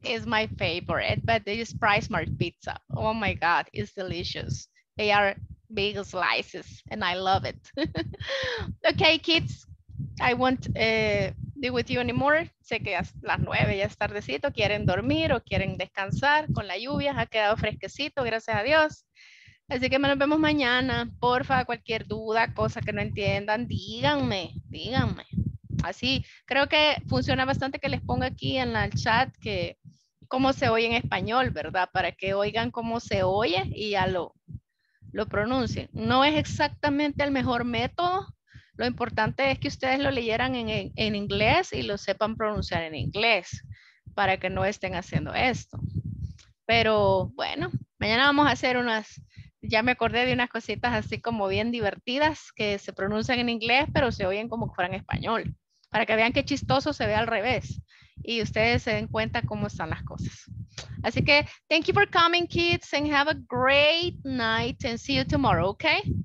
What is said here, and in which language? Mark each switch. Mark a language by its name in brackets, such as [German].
[English] It's my favorite, but this is Price Mart pizza. Oh my God, it's delicious. They are big slices and I love it. Okay, kids, I won't be with you anymore. [Spanish] Sé que es las 9, ya es tardecito. Quieren dormir o quieren descansar con la lluvia. Ha quedado fresquecito, gracias a Dios. Así que nos vemos mañana. Porfa, cualquier duda, cosa que no entiendan, díganme, díganme. Así, creo que funciona bastante que les ponga aquí en el chat que cómo se oye en español, ¿verdad? Para que oigan cómo se oye y ya lo pronuncien. No es exactamente el mejor método. Lo importante es que ustedes lo leyeran en inglés y lo sepan pronunciar en inglés para que no estén haciendo esto. Pero bueno, mañana vamos a hacer unas... Ya me acordé de unas cositas así como bien divertidas que se pronuncian en inglés, pero se oyen como que fueran español. Para que vean qué chistoso se ve al revés. Y ustedes se den cuenta cómo están las cosas. Así que, [English] thank you for coming, kids, and have a great night, and see you tomorrow, okay?